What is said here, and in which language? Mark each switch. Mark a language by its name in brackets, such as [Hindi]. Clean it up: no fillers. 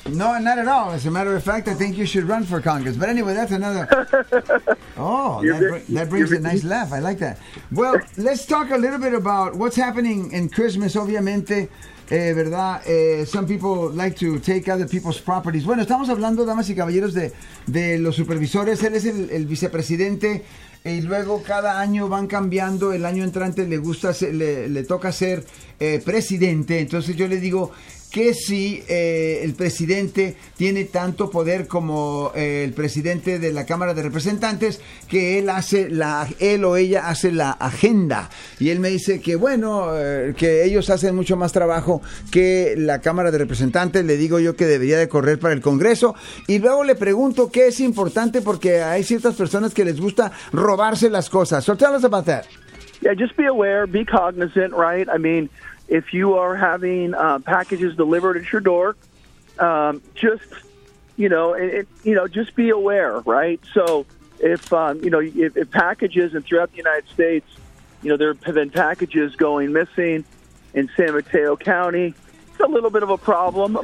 [English] No, not at all. As a matter of fact, I think you should run for Congress. But anyway, that's another... that brings a nice laugh. I like that. Well, let's talk a little bit about what's happening in Christmas, obviamente. [Spanish] ¿Verdad? [English] Some people like to take other people's properties. [Spanish] Bueno, estamos hablando, damas y caballeros, de los supervisores. Él es el vicepresidente y luego cada año van cambiando, el año entrante le gusta ser, le toca ser presidente. Entonces yo le digo que si el presidente tiene tanto poder como el presidente de la Cámara de Representantes, que él hace la, él o ella hace la agenda. Y él me dice que bueno, que ellos hacen mucho más trabajo que la Cámara de Representantes. Le digo yo que debería de correr para el Congreso. Y luego le pregunto qué es importante, porque hay ciertas personas que les gusta robarse las cosas. [English] So tell us about that. Yeah, just be aware, be cognizant, right? I mean, if you are having packages delivered at your door, just be aware, right? So if packages and throughout the United States, you know, there have been packages going missing in San Mateo County, it's a little bit of a problem.